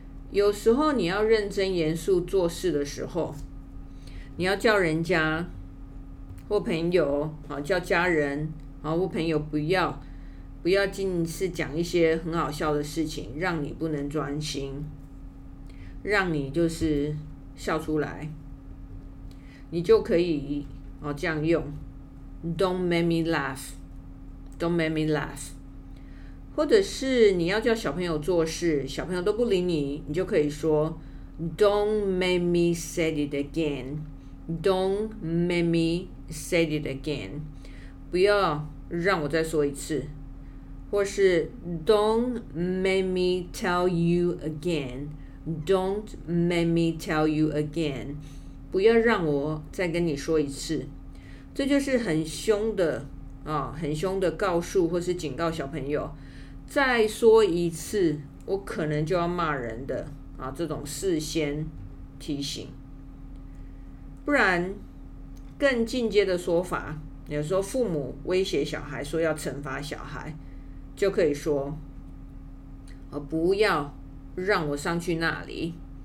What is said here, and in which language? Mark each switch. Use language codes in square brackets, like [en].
[zh] 有时候你要认真严肃做事的时候，你要叫人家或朋友，叫家人或朋友不要尽是讲一些很好笑的事情，让你不能专心，让你就是笑出来，你就可以这样用 [en] Don't make me laugh， [zh] Don't make me laugh。或者是你要叫小朋友做事，小朋友都不理你，你就可以说 [en] Don't make me say it again， [zh] Don't make me say it again， 不要让我再说一次。或是 [en] Don't make me tell you againDon't make me tell you again， [zh] 不要让我再跟你说一次。这就是很凶的很凶的告诉或是警告小朋友，再说一次我可能就要骂人的这种事先提醒。不然更进阶的说法，有时候父母威胁小孩说要惩罚小孩，就可以说不要让我上去那里。